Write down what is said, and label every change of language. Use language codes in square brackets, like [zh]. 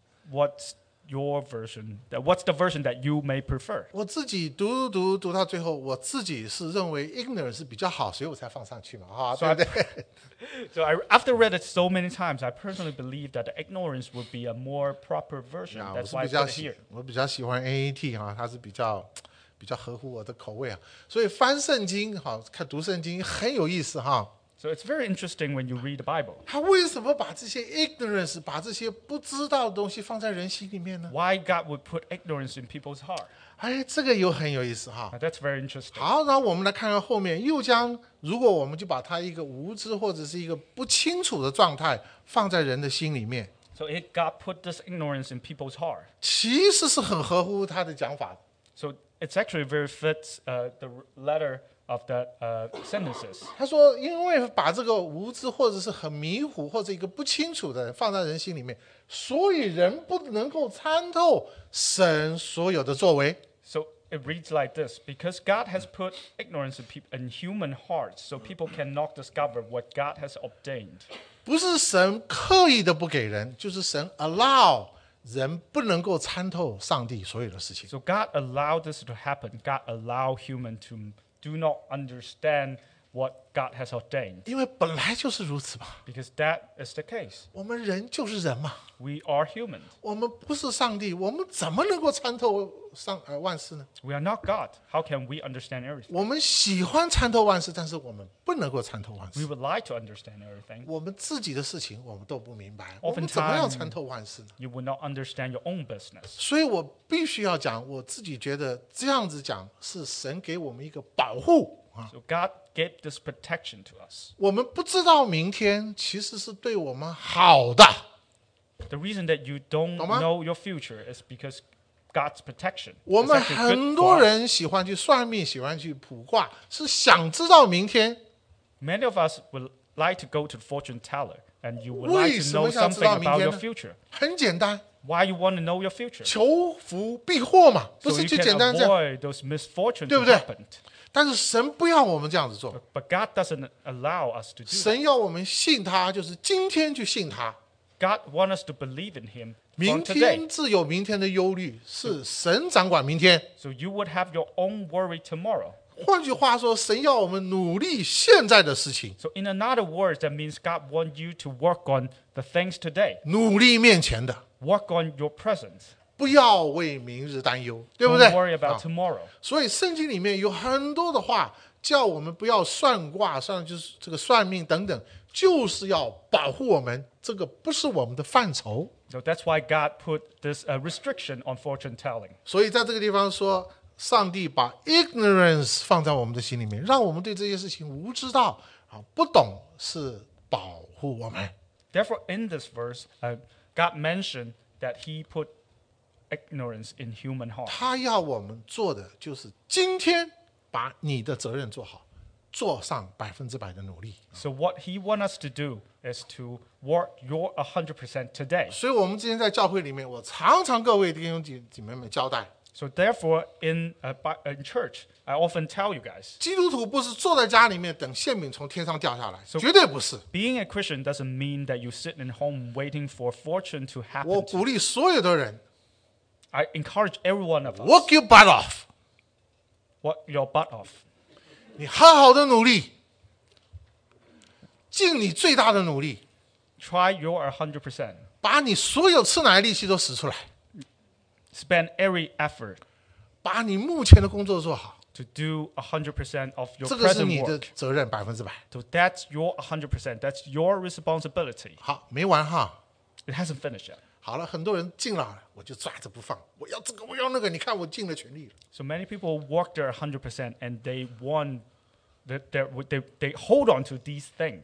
[en] ？What's your version? That what's the version that you may prefer? [zh] 我自己读读读到最后，我自己是认为 ignorance 是比较好，所以我才放上去嘛，哈，对不对？ [en] So I, after read it so many times, I personally believe that the ignorance would be a more proper version. Yeah, that's why I put it here. [zh] 我比较喜欢 NET 啊，它是比较合乎我的口味啊。所以翻圣经哈，看读圣经很有意思哈。 [en] So it's very interesting when you read the Bible. [zh] 他为什么把这些 ignorance, 把这些不知道的东西放在人心里面呢？ [en] Why God would put ignorance in people's heart? [zh] 哎，这个又很有意思哈。 [en] That's very interesting. [zh] 好，那我们来看看后面，又将，如果我们就把它一个无知或者是一个不清楚的状态放在人的心里面。 [en] So it God put this ignorance in people's heart. [zh] 其实是很合乎他的讲法。 [en] So it's actually very fits the letter of that sentences. [zh] 他说因为把这个无知或者是很迷糊或者一个不清楚的放在人心里面，所以人不能够参透神所有的作为。 [en] So it reads like this, because God has put ignorance in human hearts, so people cannot discover what God has ordained. [zh] 不是神刻意的不给人，就是神 allow人不能够参透上帝所有的事情。 [en] So God allowed this to happen. God allowed human to do not understand what God has ordained. [zh] 因为本来就是如此嘛。 [en] Because that is the case. [zh] 我们人就是人嘛。 [en] We are human. [zh] 我们不是上帝，我们怎么能够参透万事呢？ [en] We are not God. How can we understand everything? [zh] 我们喜欢参透万事，但是我们不能够参透万事。 [en] We would like to understand everything. [zh] 我们自己的事情我们都不明白。 [en] Oftentimes, [zh] 我们怎么样参透万事呢？ [en] You would not understand your own business. [zh] 所以我必须要讲，我自己觉得这样子讲是神给我们一个保护。 [en] So God gave this protection to us. [zh] 我们不知道明天其实是对我们好的。 [en] The reason that you don't know your future is because God's protection. [zh] 我们很多人喜欢去算命，喜欢去卜卦，是想知道明天。 [en] Many of us would like to go to the fortune teller, and you would like to know something about your future. [zh] 很简单。 [en] Why you want to know your future? [zh] 求福避祸嘛，不是就简单这样。 [en] So you can avoid those misfortunes, [zh] 对不对？但是神不要我们这样子做。 [en] But God doesn't allow us to do that. [zh] 神要我们信他，就是今天就信他。 [en] God wants us to believe in him. [zh] 明天自有明天的忧虑，是神掌管明天。 [en] So you would have your own worry tomorrow. [zh] 换句话说，神要我们努力现在的事情。 [en] So in another words, that means God wants you to work on the things today. [zh] 努力面前的。 [en] Work on your present. [zh] 不要为明日担忧，对不对？ [en] Don't worry about tomorrow. [zh] 所以圣经里面有很多的话叫我们不要算卦，算就是这个算命等等，就是要保护我们，这个不是我们的范畴。 [en] So that's why God put this restriction on fortune telling. [zh] 所以在这个地方说，上帝把 ignorance 放在我们的心里面，让我们对这些事情无知道，不懂，是保护我们。 [en] Therefore in this verse, God mentioned that he put ignorance in human heart. [zh] 他要我们做的就是今天把你的责任做好，做上百分之百的努力。 [en] So what he wants us to do is to work your 100% today. [zh] 所以我们之前在教会里面，我常常各位弟兄姐妹们交代。 [en] So therefore in church, I often tell you guys, [zh] 基督徒不是坐在家里面等馅饼从天上掉下来，绝对不是。 [en] Being a Christian doesn't mean that you sit in home waiting for fortune to happen. [zh] 我鼓励所有的人， [en] I encourage every one of us. Work your butt off. Work your butt off. [zh] 你好好的努力，尽你最大的努力。 [en] Try your 100%. [zh] 把你所有吃奶的力气都使出来。 [en] Spend every effort. [zh] 把你目前的工作做好。 [en] To do 100% of your [zh] 这个是你的责任，百分之百。 [en] So that's your 100%. That's your responsibility. [zh] 好，没完哈。 [en] It hasn't finished yet. [zh] 好了，很多人尽了，我就抓着不放，我要这个，我要那个，你看我尽了全力了。 [en] So many people work their 100% and they want they hold on to these things.